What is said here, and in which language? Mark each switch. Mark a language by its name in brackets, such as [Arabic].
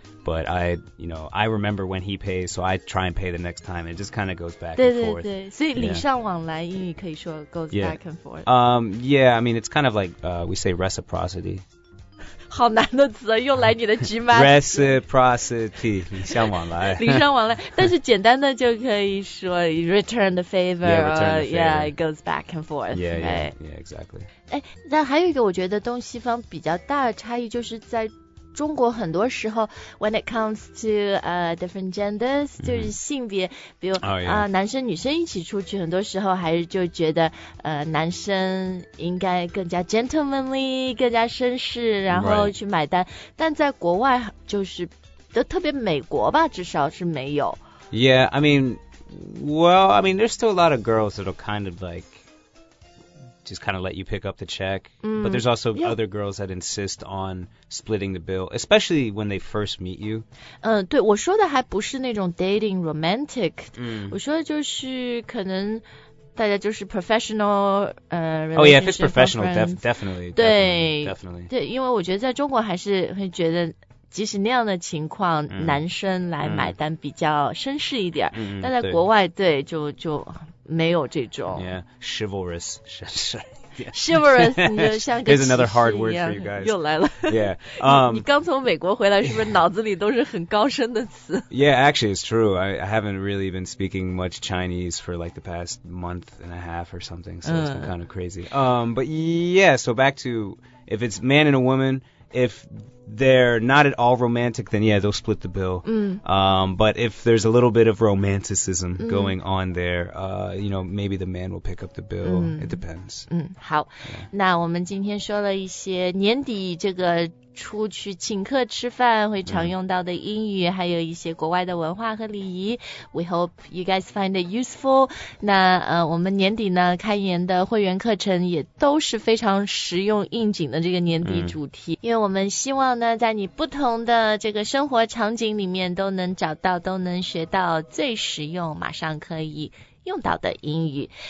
[English] But I remember when he pays, so I try and pay the next time. It just kind of goes back [Chinese] 对对 [English] and forth. [Chinese] 对对对，所以礼尚往来英语可以说 [English] goes back and forth. Yeah, I mean, it's kind of like we say reciprocity. [Chinese] 好难的词，又来你的直麦。 Reciprocity, 礼尚往来。礼尚往来，但是简单的就可以说 [English] return the favor. Yeah, return the favor. Yeah, it goes back and forth. Yeah, right? yeah, exactly. [Chinese] 哎，那还有一个我觉得东西方比较大的差异就是在中国很多时候 [English] when it comes to different genders [Chinese] 就是性别比如男生女生一起出去很多时候还是就觉得男生应该更加 gentlemanly 更加绅士然后去买单、 [English] right. [Chinese] 但在国外就是就特别美国吧至少是没有 [English] Yeah, I mean Well, I mean there's still a lot of girls that are kind of likeJust kind of let you pick up the check. But there's also other girls that insist on splitting the bill, especially when they first meet you. [Chinese] 对，我说的还不是那种 [English] dating romantic. [Chinese] 我说的就是可能大家就是 professional [English] relationship. Oh yeah, if it's professional, definitely. [Chinese] 对 [English] definitely. [Chinese] 对，因为我觉得在中国还是会觉得即使那样的情况、嗯、男生来买单比较绅士一点、嗯、但在国外 对, 对就没有这种 [English] yeah, chivalrous, 绅士 Yeah. Chivalrous, [Chinese] 你就像个骑士一样。 [English] There's another hard word for you guys. [Chinese] 又来了。 [English] Yeah. [Chinese] 你刚从美国回来，是不是脑子里都是很高深的词 [English] ？Yeah, actually, it's true. I haven't really been speaking much Chinese for like the past month and a half or something, so it's been kind of crazy. But yeah, so back to if it's man and a woman, if they're not at all romantic, then yeah, they'll split the bill. But if there's a little bit of romanticism going on there, you know, maybe the man will pick up the bill. It depends. [Chinese] 嗯，好。那我们今天说了一些年底这个出去请客吃饭会常用到的英语，还有一些国外的文化和礼仪。 [English] We hope you guys find it useful. [Chinese] 那我们年底呢开年的会员课程也都是非常实用应景的这个年底主题，因为我们希望呢在你不同的这个生活场景里面都能找到，都能学到最实用马上可以用到的英语。